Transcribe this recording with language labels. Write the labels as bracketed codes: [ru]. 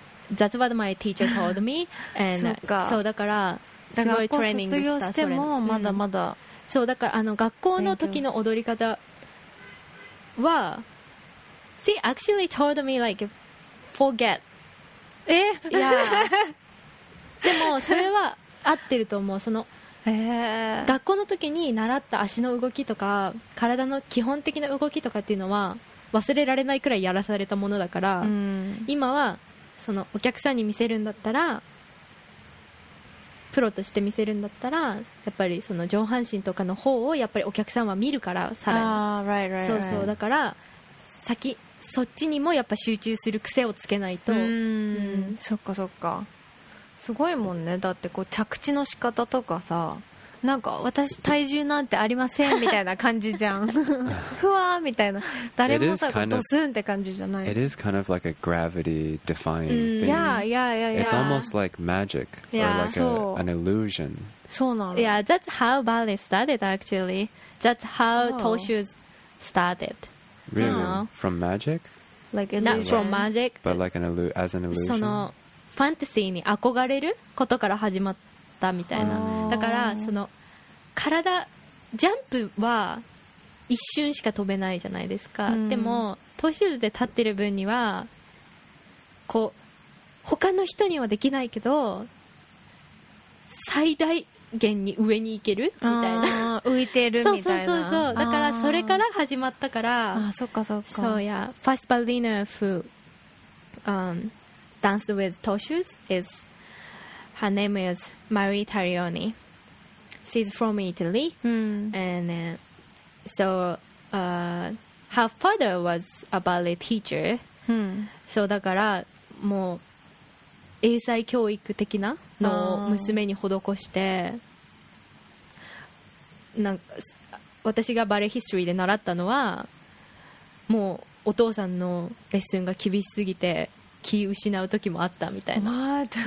[en] That's what my teacher told me, and so [ja] だから。だから学校卒業してもまだまだ、そうだからあの学校の時の踊り方は [en] She actually told me like forget [ja] え、でもそれは合ってると思う、その学校の時に習った足の動きとか体の基本的な動きとかっていうのは忘れられないくらいやらされたものだから、今はそのお客さんに見せるんだったらプロとして見せるんだったらやっぱりその上半身とかの方をやっぱりお客さんは見るからさらに、 [en] right, right, [ja] そうそう、だから先そっちにもやっぱ集中する癖をつけないと、うん、そっかそっか、すごいもんね。だってこう着地の仕方とかさ、なんか私体重なんてありませんみたいな感じじゃんふわーみたいな、誰もさドスンって感じじゃない。 [en] It is kind of like a gravity defying thing. Yeah, yeah, yeah, yeah. It's almost like magic or like an illusion. [ja] そうなの。 [en] Yeah, that's how ballet started actually. That's how Toshu started. Really? From magic? Like illusion. Not from magic. But like as an illusion. [ja] そのファンタシーに憧れることから始まったみたいな。だからその体ジャンプは一瞬しか飛べないじゃないですか、うん、でもトーシューズで立ってる分にはこう他の人にはできないけど最大限に上に行けるみたいな、浮いてるみたいな。そうそうそう、だからそれから始まったから。あ、そっかそっか。そうや、ファーストバレーナー [en] who danced with Toshu's isHer name is Marie Tarioni. She's from Italy. And so her father was a ballet teacher. [ja] So だからもう英才教育的なのを娘に施して、なんか私がバレエヒストリーで習ったのはもうお父さんのレッスンが厳しすぎて気失う時もあったみたいな。